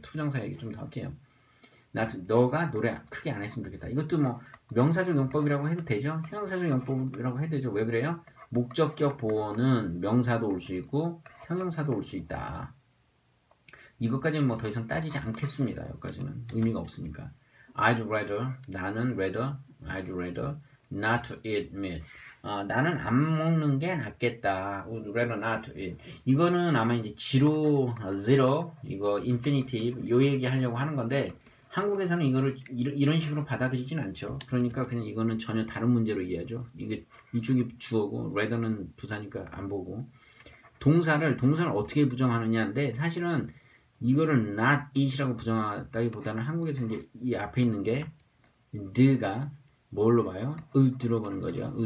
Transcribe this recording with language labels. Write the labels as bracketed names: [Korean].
[Korean] 투정사 얘기 좀더 할게요. 너가 노래 크게 안 했으면 좋겠다. 이것도 뭐 명사적 용법이라고 해도 되죠? 형용사적 용법이라고 해도 되죠? 왜 그래요? 목적격 보호는 명사도 올수 있고 형용사도 올수 있다. 이것까지는 뭐더 이상 따지지 않겠습니다. 여기까지는 의미가 없으니까. [English] I'd rather, [Korean] 나는 [English] rather, I'd rather not to eat meat. [Korean] 나는 안 먹는 게 낫겠다. [English] Would rather not to eat. [Korean] 이거는 아마 이제 지로, 0, 이거 infinitive 요 얘기 하려고 하는 건데 한국에서는 이거를 이런 식으로 받아들이진 않죠. 그러니까 그냥 이거는 전혀 다른 문제로 이해하죠. 이게 이쪽이 주어고 rather는 부사니까 안 보고 동사를 어떻게 부정하느냐인데 사실은 이거를 not it이라고 부정하다기보다는 한국에서는 이 앞에 있는 게 the가 뭘로 봐요? would로 보는 거죠.